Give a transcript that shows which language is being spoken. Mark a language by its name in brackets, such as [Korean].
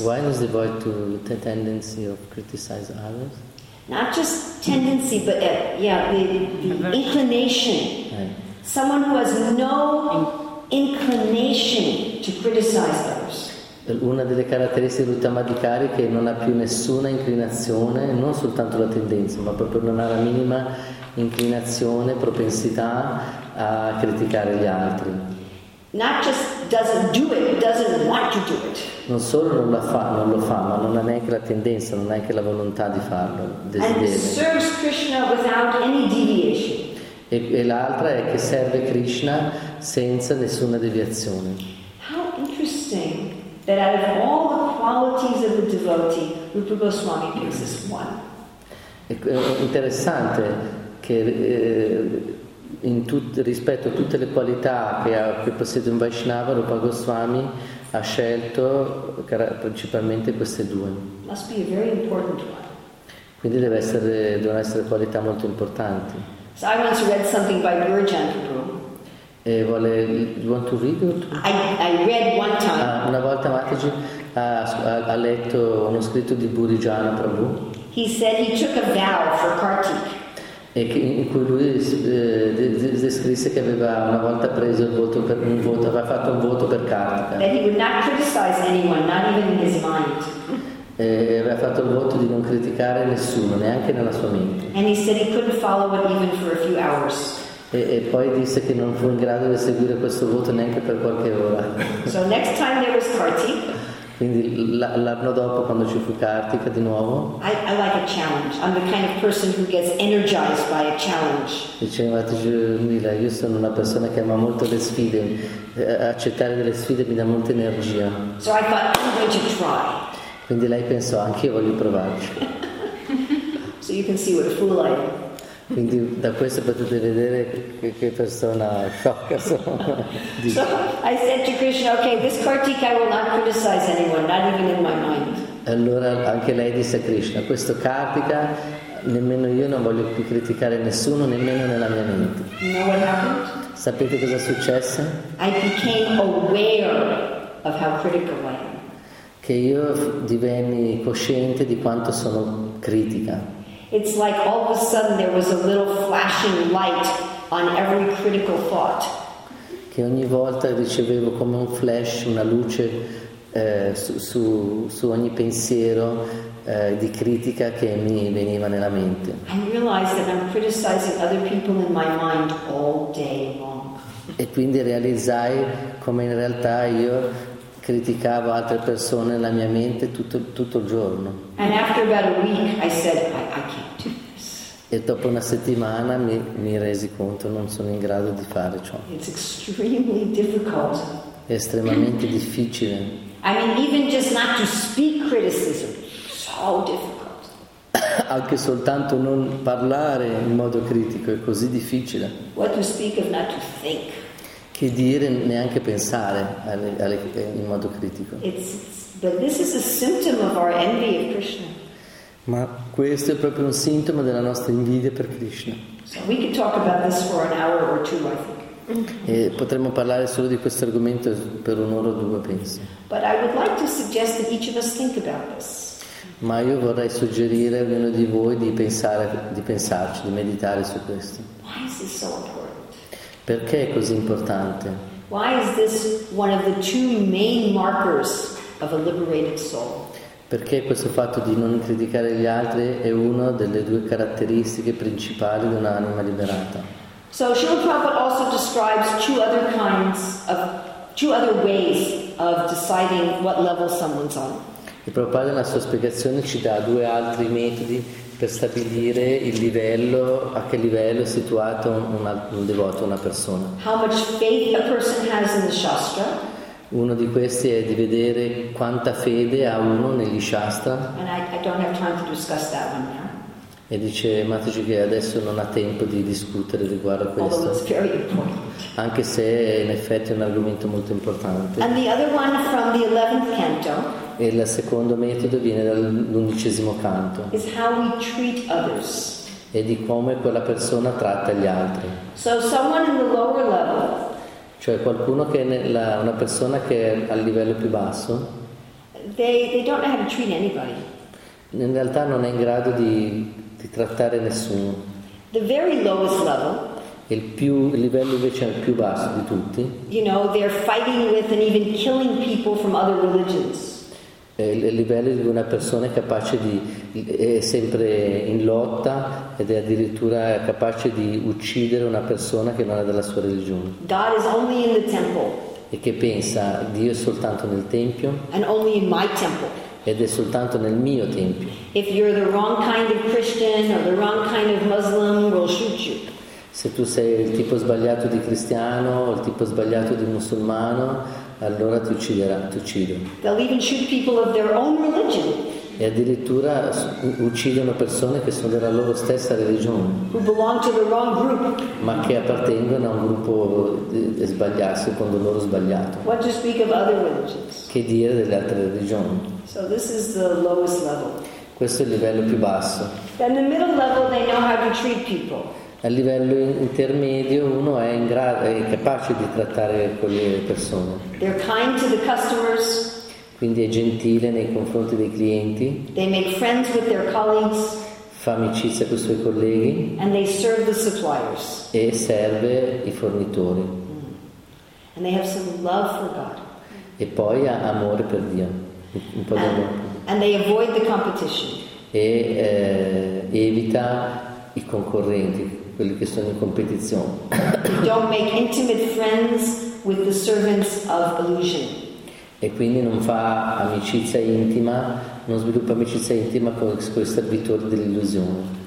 [English] Why is devoid to the tendency of criticize others? Not just tendency, but the inclination. Right. Someone who has no inclination to criticize others. [Italian] Una delle caratteristiche dell'Uttama Adhikari è che non ha più nessuna inclinazione, non soltanto la tendenza, ma proprio non ha la minima inclinazione, propensità a criticare gli altri. [English] Not just doesn't do it, doesn't want to do it. [Italian] Non solo non la fa, non lo fa, ma non ha neanche la tendenza, non ha neanche la volontà di farlo, desiderio. [English] And serves Krishna without any deviation. [Italian] E l'altra è che serve Krishna senza nessuna deviazione. [English] How interesting that out of all the qualities of the devotee, Rupa Goswami picks this one. [Italian] È interessante che rispetto a tutte le qualità che possiede un Vaishnava, Rupa Goswami ha scelto principalmente queste due. [English] Must be a very important one. [Italian] Quindi devono essere qualità molto importanti. [English] So I once read something by Gurjan Prabhu. Want to read it? I read one time. [Italian] Una volta Mataji ha letto uno scritto di Gurjana Prabhu. [English] He said he took a vow for Kartik. [Italian] E in cui lui descrisse che aveva una volta preso il voto per un voto, aveva fatto un voto per Kartika. [English] That he would not criticize anyone, not even in his mind. [Italian] E aveva fatto il voto di non criticare nessuno, neanche nella sua mente. [English] And he said he couldn't follow it even for a few hours. [Italian] E poi disse che non fu in grado di seguire questo voto neanche per qualche ora. [English] So next time there was Karti. [Italian] Quindi l'anno dopo, quando ci fu Kartika di nuovo, [English] I like a challenge. I'm the kind of person who gets energized by a challenge. [Italian] Diceva Mila, io sono una persona che ama molto le sfide. Accettare delle sfide mi dà molta energia. [English] So I thought, I'm going to try. [Italian] Quindi lei pensò, anche io voglio provarci. [English] So you can see what a fool I am. [Italian] Quindi da questo potete vedere che persona sciocca sono. [English] So I said to Krishna, okay, this Kartika I will not criticize anyone, not even in my mind. [Italian] Allora anche lei disse a Krishna, questo Kartika nemmeno io non voglio più criticare nessuno, nemmeno nella mia mente. [English] You know what happened? [Italian] Sapete cosa è successo? [English] I became aware of how critical I am. [Italian] Che io divenni cosciente di quanto sono critica. [English] It's like all of a sudden there was a little flashing light on every critical thought. [Italian] Che ogni volta ricevevo come un flash, una luce su ogni pensiero di critica che mi veniva nella mente. [English] I realized that I'm criticizing other people in my mind all day long. [Italian] E quindi realizzai come in realtà io criticavo altre persone nella mia mente tutto il giorno. [English] And after about a week I said, I can't do this. [Italian] E dopo una settimana mi resi conto non sono in grado di fare ciò. [English] It's extremely difficult. [Italian] È estremamente difficile. [English] I mean, even just not to speak criticism, so difficult. [Italian] Anche soltanto non parlare in modo critico è così difficile. [English] What to speak of, not to think. [Italian] Che dire, neanche pensare in modo critico. [English] But this is a symptom of our envy of Krishna. [Italian] Ma questo è proprio un sintomo della nostra invidia per Krishna. [English] So we could talk about this for an hour or two, I think. [Italian] E potremmo parlare solo di questo argomento per un'ora o due, penso. [English] But I would like to suggest that each of us think about this. [Italian] Ma io vorrei suggerire a ognuno di voi di pensarci, di meditare su questo. [English] Why is this so important? [Italian] Perché è così importante? [English] Why is this one of the two main markers of a liberated soul? [Italian] Perché questo fatto di non criticare gli altri è una delle due caratteristiche principali di un'anima liberata. [English] So Srila Prabhupada also describes two other ways of deciding what level someone's on. [Italian] E Prabhupada nella sua spiegazione ci dà due altri metodi per stabilire il livello, a che livello è situato un devoto, una persona. [English] How much faith a person has in the Shastra. [Italian] Uno di questi è di vedere quanta fede ha uno negli Shastra. [English] And I don't have time to discuss that one now. [Italian] E dice Mataji che adesso non ha tempo di discutere riguardo a questo. [English] Although it's very important. [Italian] Anche se è in effetti un argomento molto importante. [English] And the other one from the 11th canto. [Italian] E il secondo metodo viene dall'undicesimo canto. [English] Is how we treat others. [Italian] È di come quella persona tratta gli altri. [English] So someone in the lower level. [Italian] Cioè qualcuno che è una persona che è al livello più basso. [English] They don't know how to treat anybody. [Italian] In realtà non è in grado di trattare nessuno. [English] The very lowest level. [Italian] Il livello invece è il più basso di tutti. [English] You know, they're fighting with and even killing people from other religions. [Italian] Il livello di una persona è capace di è sempre in lotta ed è addirittura capace di uccidere una persona che non è della sua religione. [English] God is only in the temple. [Italian] E che pensa Dio è soltanto nel tempio. [English] And only in my temple. [Italian] Ed è soltanto nel mio tempio. [English] If you're the wrong kind of Christian or the wrong kind of Muslim, we'll shoot you. [Italian] Se tu sei il tipo sbagliato di cristiano o il tipo sbagliato di musulmano, allora ti uccidono. [English] They'll even shoot people of their own religion. [Italian] E addirittura uccidono persone che sono della loro stessa religione. [English] Who belong to the wrong group. [Italian] Ma che appartengono a un gruppo sbagliato, secondo loro sbagliato. [English] What to speak of other religions. [Italian] Che dire delle altre religioni. [English] So this is the lowest level. [Italian] Questo è il livello più basso. [English] Then the middle level they know how to treat people. [Italian] A livello intermedio uno è in grado, è capace di trattare con le persone. [English] They're kind to the customers. [Italian] Quindi è gentile nei confronti dei clienti. [English] They make friends with their colleagues. [Italian] Fa amicizia con i suoi colleghi. [English] And they serve the suppliers. [Italian] E serve i fornitori. [English] Mm. And they have some love for God. [Italian] E poi ha amore per Dio. Un po' [English] and, [Italian] di [English] and they avoid the competition. [Italian] E evita i concorrenti, quelli che sono in competizione. [English] Don't make intimate friends with the servants of illusion. [Italian] E quindi non fa amicizia intima, non sviluppa amicizia intima con i servitori dell'illusione.